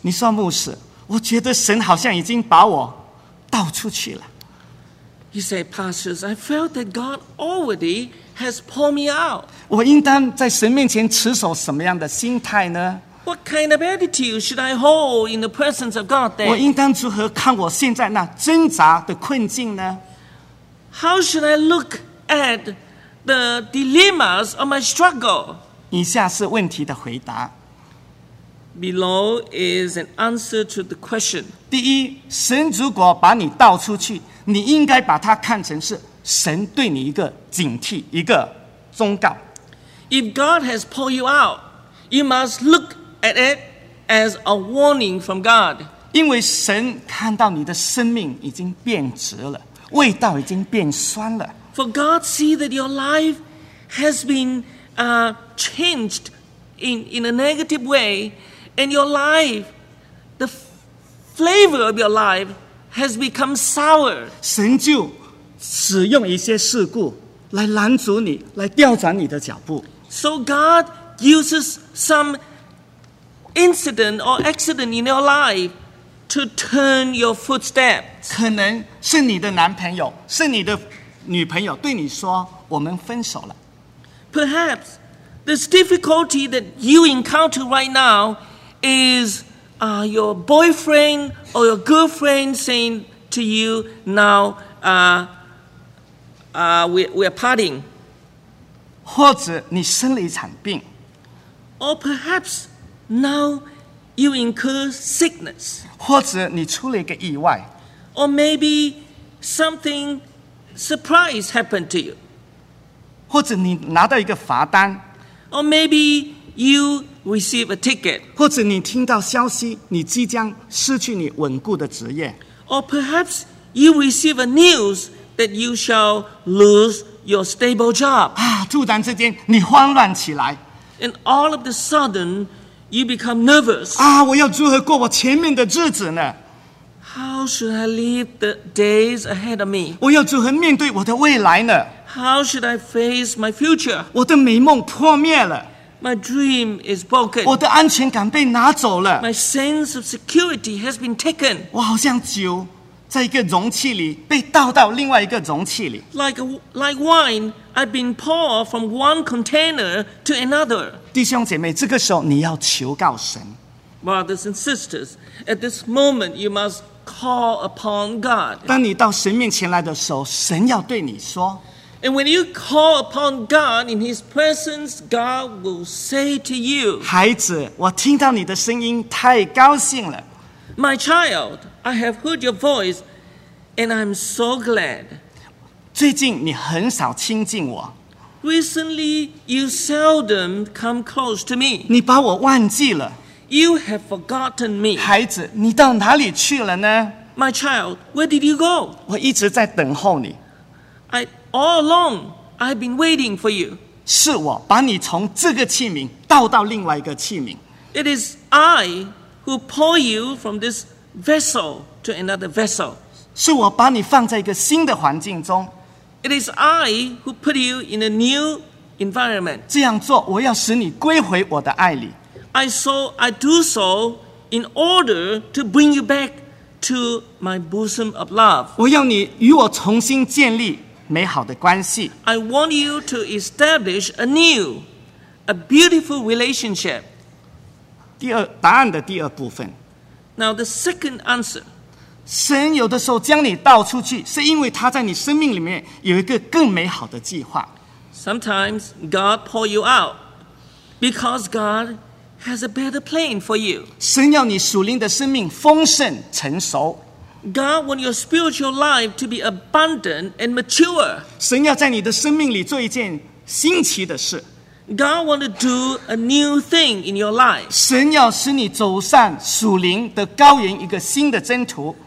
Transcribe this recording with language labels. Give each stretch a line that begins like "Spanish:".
Chinese: 你说牧师，我觉得神好像已经把我倒出去了。
English: He said, Pastors, I felt that God already has pulled me out.
Chinese: 我应当在神面前持守什么样的心态呢？
English: What kind of attitude should I hold in the presence of God then?
Chinese: 我应当如何看我现在那挣扎的困境呢？
English: How should I look at the dilemmas of my struggle?
Chinese: 以下是问题的回答。
English: Below is an answer to the question.
Chinese: 第一，神如果把你倒出去，你应该把它看成是神对你一个警惕，一个忠告。
English: If God has pulled you out, you must look at it as a warning from God.
Chinese: 因为神看到你的生命已经变质了，味道已经变酸了。
English: For God see that your life has been changed in a negative way, and your life, the flavor of your life has become sour.
Chinese: 神就使用一些事故来拦阻你，来调转你的脚步。
English: So God uses some incident or accident in your life to turn your footsteps.
Chinese: 可能是你的男朋友，是你的女朋友对你说，我们分手了。
English: Perhaps this difficulty that you encounter right now is your boyfriend or your girlfriend saying to you now, we're parting.
Chinese: 或者你生了一场病。
English: Or perhaps now you incur sickness.
Chinese: 或者你出了一个意外。
English: Or maybe something surprise happened to you.
Chinese: 或者你拿到一个罚单。
English: Or maybe you receive a ticket.
Chinese: 或者你听到消息，你即将失去你稳固的职业。
English: Or perhaps you receive a news that you shall lose your stable job.
Chinese: 啊，突然之间你慌乱起来。
English: And all of the sudden, you become nervous.
Chinese: 啊，我要如何过我前面的日子呢？
English: How should I live the days ahead of me?
Chinese: 我要如何面对我的未来呢？
English: How should I face my future?
Chinese: 我的美梦破灭了。
English: My dream is broken.
Chinese: 我的安全感被拿走了。
English: My sense of security has been taken.
Chinese: 我好像酒在一个容器里被倒到另外一个容器里。
English: Like wine, I've been poured from one container to another.
Chinese: 弟兄姐妹，这个时候你要求告神。
English: Brothers and sisters, at this moment, you must call upon God.
Chinese: 当你到神面前来的时候，神要对你说。
English: And when you call upon God in His presence, God will say to you,
Chinese: 孩子，我听到你的声音太高兴了。
English: My child, I have heard your voice, and I'm so glad.
Chinese: 最近你很少亲近我。
English: Recently, you seldom come close to me.
Chinese: 你把我忘记了。
English: You have forgotten me.
Chinese: 孩子，你到哪里去了呢？
English: My child, where did you go?
Chinese: 我一直在等候你。
English: All along, I've been waiting for you.
Chinese: 是我把你从这个器皿倒到另外一个器皿。
English: It is I who pour you from this vessel to another vessel.
Chinese: 是我把你放在一个新的环境中。
English: It is I who put you in a new environment.
Chinese: 这样做，我要使你归回我的爱里。
English: I do so in order to bring you back to my bosom of love.
Chinese: 我要你与我重新建立美好的关系。
English: I want you to establish a new, a beautiful relationship.
Chinese: 答案的第二部分。
English: Now the second answer.
Chinese: 神有的时候将你倒出去，是因为他在你生命里面有一个更美好的计划。
English: Sometimes God pulls you out because God has a better plan for you.
Chinese: 神要你属灵的生命丰盛成熟。
English: God wants your spiritual life to be abundant and mature.
Chinese: 神要在你的生命里做一件新奇的事。
English: God wants to do a new thing in your life.
Chinese: 神要使你走上属灵的高原一个新的征途。